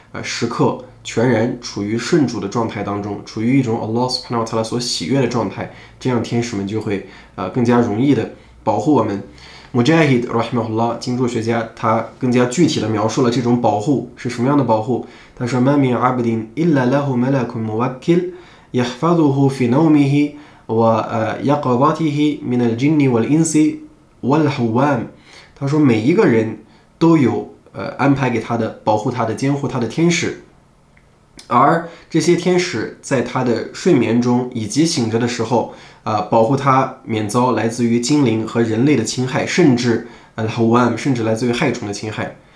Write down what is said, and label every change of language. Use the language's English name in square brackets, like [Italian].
[Chinese] 时刻全然处于顺主的状态当中，处于一种 Allah Subhanahu wa Taala 所喜悦的状态，这样天使们就会更加容易的保护我们。 Mujahid rahimahullah 经注学家他更加具体的描述了这种保护是什么样的保护。他说 [Arabic] ："ما من عبد إلا له ملك موكل يحفظه في نومه ويقظته من الجن والإنس والهوام。" [Chinese] 他说每一个人都有。安排给他的保护他的监护他的天使，而这些天使在他的睡眠中以及醒着的时候，保护他免遭来自于精灵和人类的侵害，甚至甚至来自于害虫的侵害。